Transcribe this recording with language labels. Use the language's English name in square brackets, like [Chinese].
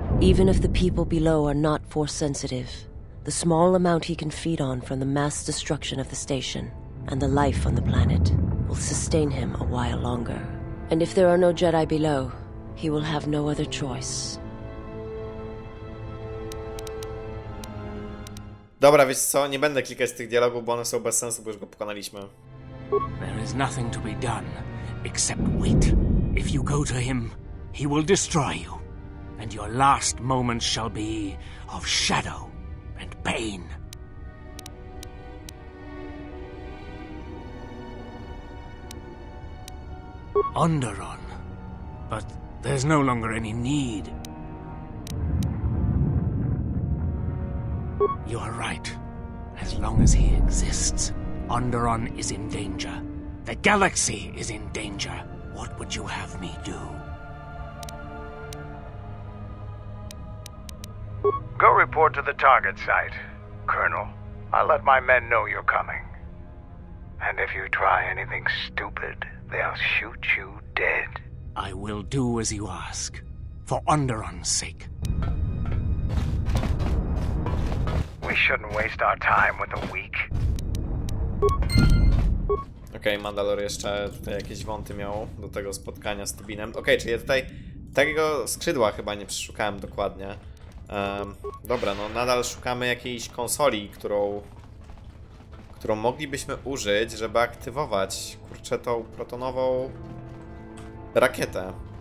[English] Even if the people below are not Force-sensitive, the small amount he can feed on from the mass destruction of the station and the life on the planet will sustain him a while longer. And if there are no Jedi below, he will have no other choice. [Polish] Dobra, wiesz co, nie będę klikać tych dialogów, bo one są bez sensu, bo już go pokonaliśmy. [English] There is nothing to be done except wait. If you go to him, he will destroy you, and your last moment shall be of shadow. and pain. Onderon. But there's no longer any need. You are right. As long as he exists, Onderon is in danger. The galaxy is in danger. What would you have me do? Go report to the target site, Colonel. I'll let my men know you're coming. And if you try anything stupid, they'll shoot you dead. I will do as you ask, for Onderon's sake. We shouldn't waste our time with the weak. [Polish] Okej, Mandalor jeszcze tutaj jakieś wąty miał do tego spotkania z Tubinem. Okej, czyli ja tutaj takiego skrzydła chyba nie przeszukałem dokładnie. Dobra, no nadal szukamy jakiejś konsoli, którą moglibyśmy użyć, żeby aktywować, kurczę, tą protonową rakietę.